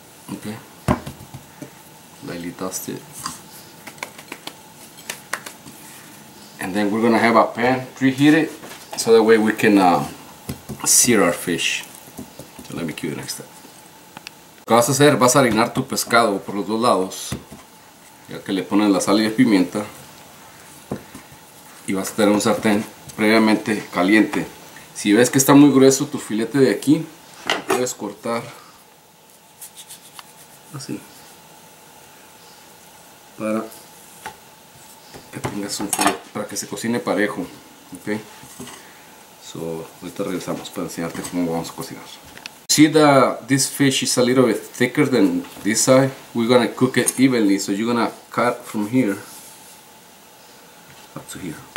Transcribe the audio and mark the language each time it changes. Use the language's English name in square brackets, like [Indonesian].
[English] Okay. Lightly dust it. And then we're gonna have a pan preheat it so that way we can sear our fish. So let me cue the next step. [Spanish] ¿Qué vas a hacer? Vas a harinar tu pescado por los dos lados. Ya que le pones la sal y la pimienta. Y vas a tener un sartén previamente caliente. Si ves que está muy grueso tu filete de aquí, lo puedes cortar así para que tengas un filete, para que se cocine parejo. Okay. So, ahorita regresamos para enseñarte cómo vamos a cocinar. [English] See that this fish is a little bit thicker than this side. We're gonna cook it evenly, so you're gonna cut from here up to here.